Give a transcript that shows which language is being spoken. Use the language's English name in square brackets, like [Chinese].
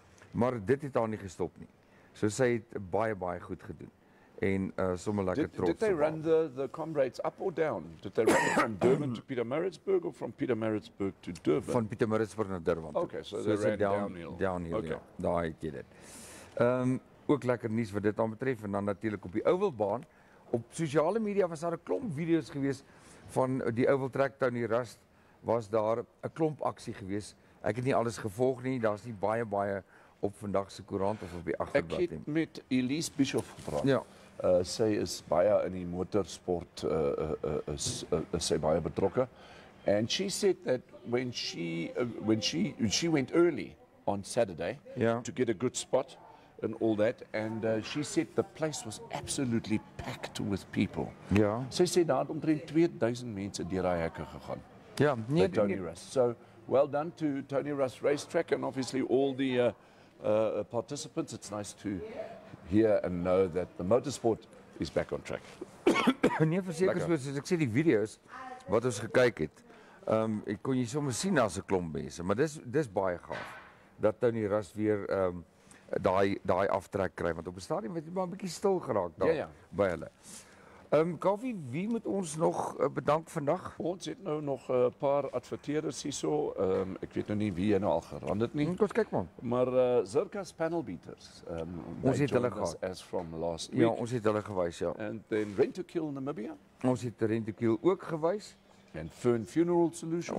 [Afrikaans] Maar dit het haar nie gestop nie. So sy het baie baie goed gedoen. En sommer lekker trots. [English] Did they run the comrades up or down? Did they run from Durban to Pietermaritzburg or from Pietermaritzburg to Durban? [Afrikaans] Van Pietermaritzburg na Durban. [English] Okay, so they ran downhill. Okay. [Afrikaans] Ja, daar het jy dit. Ook lekker nuus wat dit aan betref en dan natuurlik op die Ovalbaan. Op sosiale media was daar 'n klomp video's geweest van die Oval Track Tony Rust was daar 'n klomp aksie geweest. Ek het nie alles gevolg nie, daar's nie baie op vandag se koerant of op die agterblad. Ek het met Elise Bischoff gepraat. Ja. Sy is baie in die motorsport is sy baie betrokke. [English] And she said that when she went early on Saturday to get a good spot and all that and she said the place was absolutely packed with people. [Afrikaans] Ja. Sy sê daar het omtrent 2000 mense deur daai hekke gegaan. Ja, nee, by Tony Rust. [English] So well done to Tony Rust Racetrack and obviously all the participants, it's nice to hear and know that the motorsport is back on track. [Afrikaans] Nee, verseker soos ek sê die video's wat ons gekyk het, ek kon jy sommer sien daar's 'n klomp mense, maar dis baie gaaf dat Tony Rust weer daai aftrek kry want op die stadion het hy maar 'n bietjie stil geraak daar by hulle. Kaffie, wie moet ons nog bedank vandag? Ons het nou nog 'n paar adverteerders hierso. Ek weet nou nie wie jy nou al gerand het nie. Ons kyk man. Maar Dirkas Panel Beaters. Ons het hulle gehad. [English] As from last [Afrikaans] week. Ja, ons het hulle gewys, ja. [English] And then Rent to Kill Namibia. [Afrikaans] Ons het Rent to Kill ook gewys. [English] And Fern Funeral Solutions.